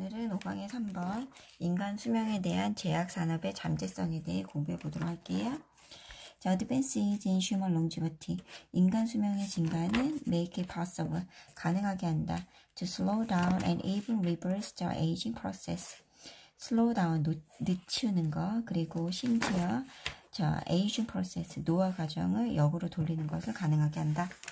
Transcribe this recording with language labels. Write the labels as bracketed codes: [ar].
[ko] 소방의 3번 인간 수명에 대한 제약 산업의 잠재성에 대해 공부해 보도록 할게요. [en] 자, advancing in human longevity. [ko] 인간 수명의 증가는 [en] make it possible, [ko] 가능하게 한다. [en] To slow down and even reverse the aging process. slow down, [ko] 늦추는 거, 그리고 심지어 자, aging process, 노화 과정을 역으로 돌리는 것을 가능하게 한다.